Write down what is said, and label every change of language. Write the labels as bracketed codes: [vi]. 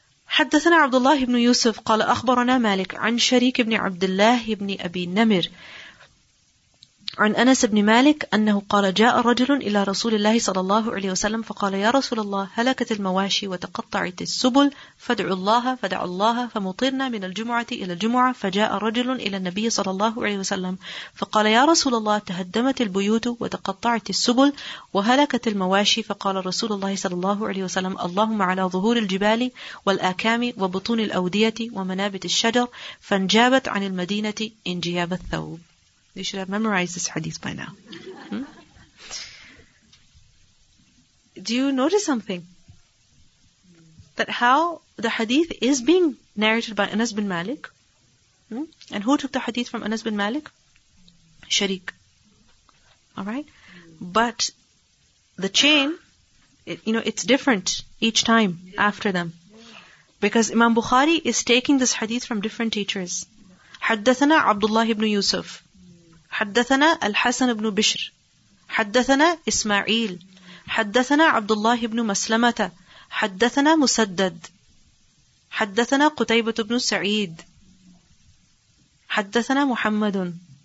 [ar] حدثنا عبد الله بن يوسف قال أخبرنا مالك عن شريك بن عبد الله بن أبي نمر عن أنس بن مالك أنه قال جاء رجل إلى رسول الله صلى الله عليه وسلم فقال يا رسول الله هلكت المواشي وتقطعت السبل فادعوا الله فدع الله فمطرنا من الجمعة إلى الجمعة فجاء رجل إلى النبي صلى الله عليه وسلم فقال يا رسول الله تهدمت البيوت وتقطعت السبل وهلكت المواشي فقال رسول الله صلى الله عليه وسلم اللهم على ظهور الجبال والآكام وبطون الأودية ومنابت الشجر فانجابت عن المدينة انجياب الثوب. [en] You should have memorized this hadith by now. Do you notice something? That how the hadith is being narrated by Anas bin Malik. And who took the hadith from Anas bin Malik? Shariq. Alright? But the chain, it's different each time after them. Because Imam Bukhari is taking this hadith from different teachers. [ar] حدثنا عبد الله بن يوسف حدثنا الحسن بن بشر حدثنا إسماعيل حدثنا عبد الله بن مسلمة حدثنا مسدد حدثنا قتيبة بن سعيد حدثنا محمد.